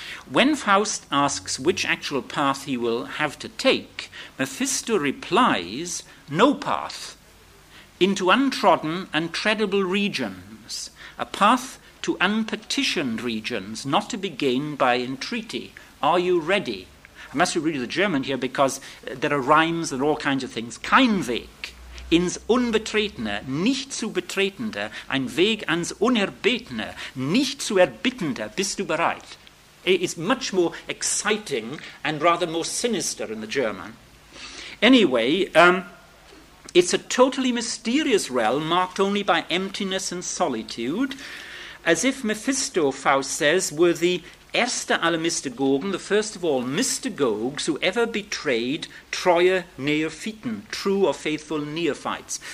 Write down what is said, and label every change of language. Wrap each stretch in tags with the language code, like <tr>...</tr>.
<en>When Faust asks which actual path he will have to take, Mephisto replies, no path, into untrodden and treadable regions, a path to unpetitioned regions, not to be gained by entreaty. Are you ready? I must read the German here because there are rhymes and all kinds of things.</en> <de>Kein Weg ins Unbetretene, nicht zu betretende, ein Weg ans Unerbetene, nicht zu erbittende. Bist du bereit?</de> <en>It is much more exciting and rather more sinister in the German. Anyway, it's a totally mysterious realm marked only by emptiness and solitude, as if Mephisto, Faust says, were the</en> <de>erster aller Mystagogen,</de> <en>the first of all Mystagogues who ever betrayed</en> <de>treue Neophyten,</de> <en>true or faithful neophytes.</en>